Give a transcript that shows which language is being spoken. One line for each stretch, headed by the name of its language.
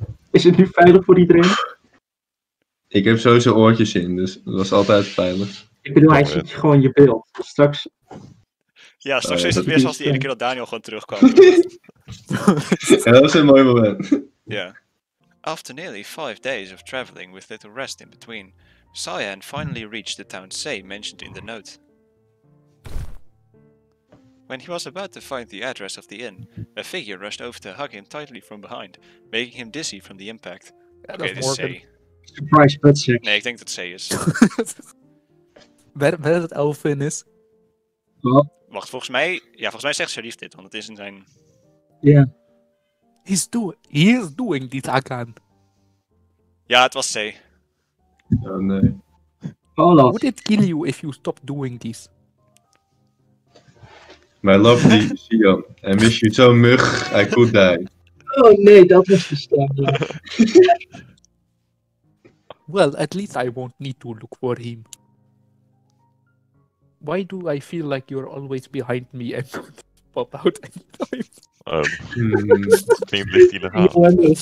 Dutch: Is het nu veilig voor iedereen? Ik heb sowieso oortjes in, dus dat was altijd veilig. Ik bedoel, hij ziet gewoon je beeld. Straks... Ja, straks is het weer zoals die ene keer dat Daniel gewoon terugkwam. Ja, dat was een mooi moment. Ja.
English: After nearly 5 days of traveling with little rest in between, Cyan finally reached the town Say mentioned in the note. When he was about to find the address of the inn, a figure rushed over to hug him tightly from behind, making him dizzy from the impact. Okay, this is Say. Surprise, but Say.
Dutch: Nee, ik denk dat Say is. Weet dat Elvin is?
English: What?
Dutch: Wacht, volgens mij... Ja, volgens mij zegt Sharif dit, want het is in zijn...
English: Yeah. He is doing this again.
Dutch: Ja, het was Say. Oh nee. Olaf.
English: Would it kill you if you stop doing this? My lovely Sion, I miss you so much, I could die.
Dutch: Oh nee, dat was verstaan.
English: Well, at least I won't need to look for him. Why do I feel like you're always behind me and not about any time?
Dutch: Misschien ligt illegaal.